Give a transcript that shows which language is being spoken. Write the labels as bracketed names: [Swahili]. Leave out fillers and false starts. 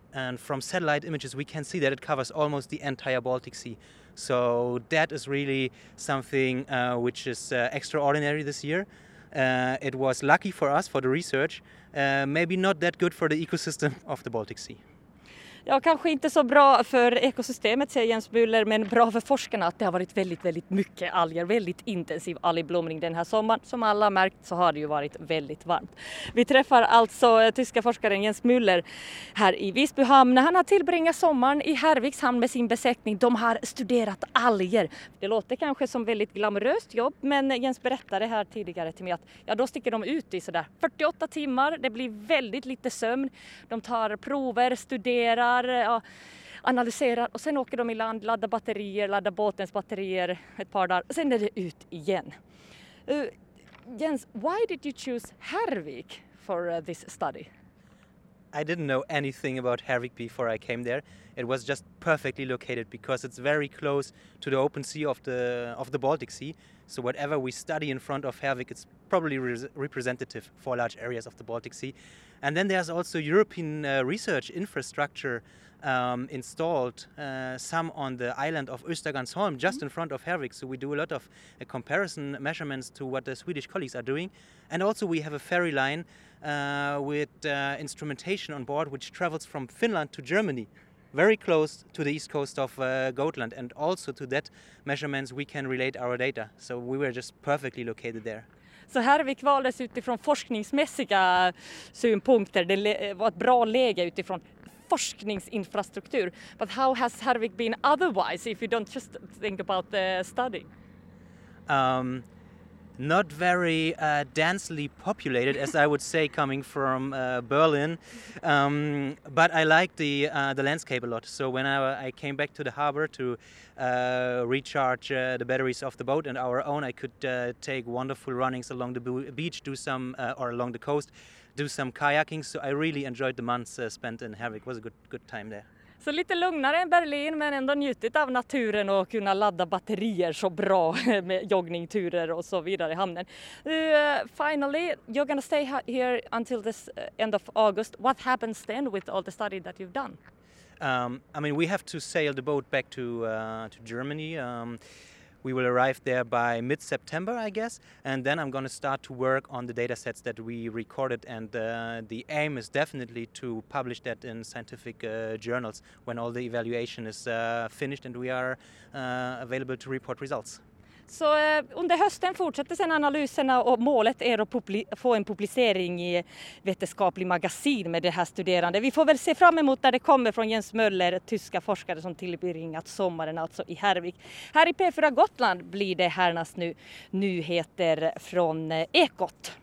[English] And from satellite images, we can see that it covers almost the entire Baltic Sea. So that is really something which is extraordinary this year. It was lucky for us, for the research, maybe not that good for the ecosystem of the Baltic Sea. [Swedish] Ja, kanske inte så bra för ekosystemet, säger Jens Müller, men bra för forskarna att det har varit väldigt, väldigt mycket alger, väldigt intensiv algblomning den här sommaren. Som alla har märkt så har det ju varit väldigt varmt. Vi träffar alltså tyska forskaren Jens Müller här i Visbyhamn. Han har tillbringat sommaren i Härviks hamn med sin besättning. De har studerat alger. Det låter kanske som väldigt glamoröst jobb, men Jens berättade här tidigare till mig att ja, då sticker de ut i sådär 48 timmar. Det blir väldigt lite sömn. De tar prover, studerar, analyserar och sen åker de i land, laddar batterier, laddar båtens batterier ett par dagar. Sen är det ut igen. [English] Jens, why did you choose Härvik for this study? I didn't know anything about Härvik before I came there. It was just perfectly located because it's very close to the open sea of the Baltic Sea. So whatever we study in front of Härvik, it's probably representative for large areas of the Baltic Sea. And then there's also European research infrastructure installed some on the island of Östergansholm, just in front of Hervik. So we do a lot of comparison measurements to what the Swedish colleagues are doing. And also we have a ferry line with instrumentation on board, which travels from Finland to Germany, very close to the east coast of Gotland. And also to that measurements we can relate our data. So we were just perfectly located there. [Swedish] Så Hervik valdes utifrån forskningsmässiga synpunkter. Det var ett bra läge utifrån forskningsinfrastruktur. [English] But how has Hervik been otherwise, if you don't just think about the study? Not very densely populated, as I would say, coming from Berlin. But I like the landscape a lot. So when I came back to the harbor to recharge the batteries of the boat and our own, I could take wonderful runnings along the beach, do some or along the coast, do some kayaking. So I really enjoyed the months spent in Hervik. It was a good time there. [Swedish] Så lite lugnare än Berlin, men ändå njutit av naturen och kunna ladda batterier så bra med joggningturer och så vidare i hamnen. [English] Finally, you're going to stay here until this end of August. What happens then with all the study that you've done? I mean, we have to sail the boat back to Germany. We will arrive there by mid-September, I guess, and then I'm going to start to work on the data sets that we recorded, and the aim is definitely to publish that in scientific journals when all the evaluation is finished and we are available to report results. [Swedish] Så under hösten fortsätter sen analyserna och målet är att få en publicering i vetenskaplig magasin med det här studerande. Vi får väl se fram emot när det kommer från Jens Möller, tyska forskare som tillbringat sommaren alltså i Hervik. Här i P4 Gotland blir det härnäst nu nyheter från Ekot.